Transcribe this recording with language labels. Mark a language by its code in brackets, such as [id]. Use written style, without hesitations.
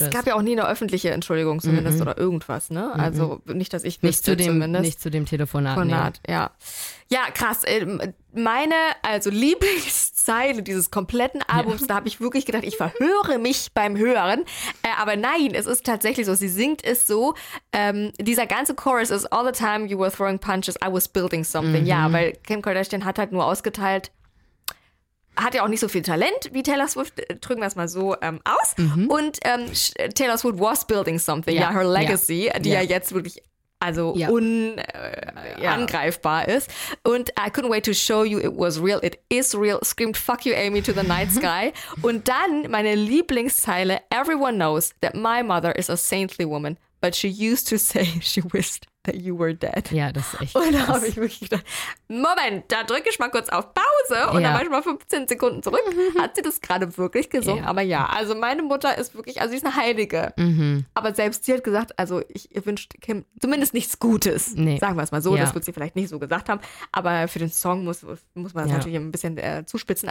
[de] Und es gab ja auch nie eine öffentliche Entschuldigung zumindest oder irgendwas, ne? Also nicht, dass ich nicht wüsste, zumindest. Nicht zu dem Telefonat, Ja, krass. Meine, also Lieblingszeile dieses kompletten Albums, da habe ich wirklich gedacht, ich verhöre mich beim Hören. Aber nein, es ist tatsächlich so, sie singt es so. Dieser ganze Chorus ist [en] all the time you were throwing punches, I was building something. [de] Mhm. Ja, weil Kim Kardashian hat halt nur ausgeteilt, hat ja auch nicht so viel Talent wie Taylor Swift, drücken wir es mal so aus. Mhm. Und Taylor Swift [en] was building something, her legacy, [de] die ja jetzt wirklich also unangreifbar ist. [en] Und I couldn't wait to show you it was real, it is real, screamed fuck you Amy to the night sky. [de] Und dann meine Lieblingszeile, [en] everyone knows that my mother is a saintly woman, but she used to say she wished that you were dead. [de] Ja, das ist echt. Und da habe ich wirklich gedacht, Moment, da drücke ich mal kurz auf Pause und dann war ich mal 15 Sekunden zurück. Hat sie das gerade wirklich gesungen? Aber ja, also meine Mutter ist wirklich, also sie ist eine Heilige. Aber selbst sie hat gesagt, also ich wünsche Kim zumindest nichts Gutes. Nee. Sagen wir es mal so, das wird sie vielleicht nicht so gesagt haben. Aber für den Song muss man das natürlich ein bisschen zuspitzen.